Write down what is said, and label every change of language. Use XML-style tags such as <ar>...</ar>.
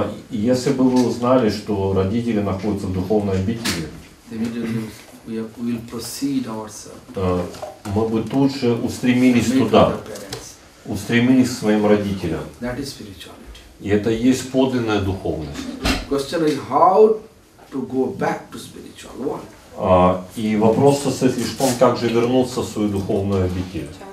<ru>Если бы вы узнали, что родители находятся в духовной обители,</ru> <en>we'll proceed ourselves.</en> <ru>Мы бы тут же устремились туда, устремились к своим родителям.</ru> <en>That is spirituality.</en> <ru>И это и есть подлинная духовность.</ru> <en>Question is how to go back to spiritual world.</en> <ru>И вопрос состоит лишь в том, как же вернуться в свою духовную обитель.</ru>